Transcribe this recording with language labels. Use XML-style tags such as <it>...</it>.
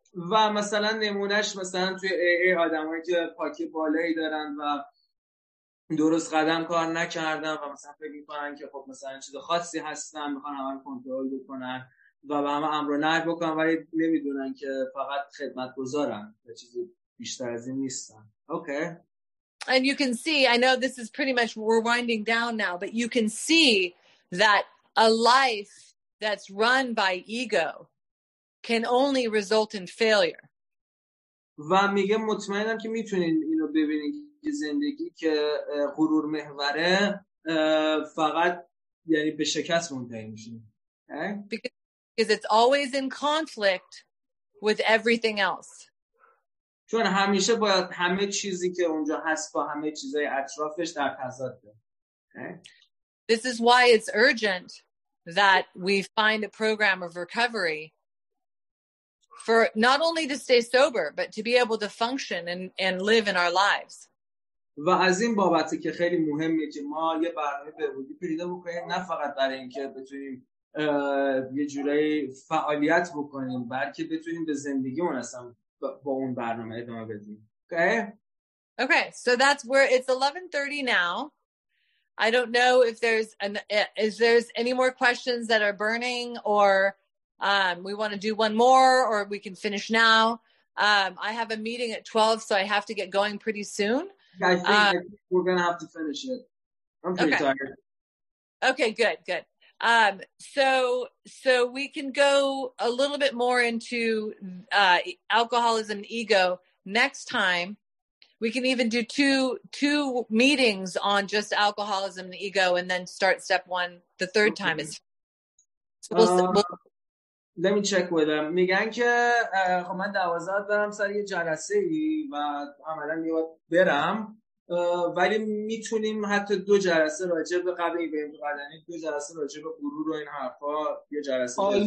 <fa>و مثلا نمونهش مثلا توی AA آدمایی که پاکی بالایی دارن و درست قدم کار نکردن و مثلا فکر میکنن که خب مثلا چیز خاصی هستن، میخوان همه کنترل بکنن و به همه امر و نهی بکنن، ولی نمیدونن که فقط خدمتگزارن و چیزی بیشتر از این نیستن. اوکی.</fa> <en>And you can see, I know this is pretty much, we're winding down now, but you can see that a life that's run by ego can only result in failure.</en> <fa>و میگه مطمئنم که میتونین اینو ببینین که زندگی که غرور محوره فقط یعنی به شکست منتهی میشه.</fa> <en>Because it's always in conflict with everything else.</en> <fa>چون همیشه باید همه چیزی که اونجا هست با همه چیزای اطرافش در تضاد ده.</fa> <en>This is why it's urgent that we find a program of recovery for not only to stay sober, but to be able to function and live in our lives.</en> <fa>و از این بابته که خیلی مهمه که ما یه برنامه بهبودی پیدا بکنیم، نه فقط برای اینکه بتونیم یه جورایی فعالیت بکنیم، بلکه بتونیم به زندگیمون اصلا با اون برنامه ادامه بدیم. اوکی</fa> <en>okay, so that's where it's 11:30 now. I don't know if there's is there any more questions that are burning, or we want to do one more, or we can finish now. I have a meeting at 12, so I have to get going pretty soon. I think we're going to have to finish it. I'm pretty okay. tired. Okay, good. So we can go a little bit more into alcoholism and ego next time. We can even do two meetings on just alcoholism and ego, and then start step one the third okay. time. Let me check with them.</en> <fa>میگن که خب من 12 دارم سر یه جلسه ای و عملا میواد برم، ولی میتونیم حتی دو جلسه راجع به قبلی بریم تو قدنی، دو جلسه راجع به غرور و این حرفا یه جلسه</fa>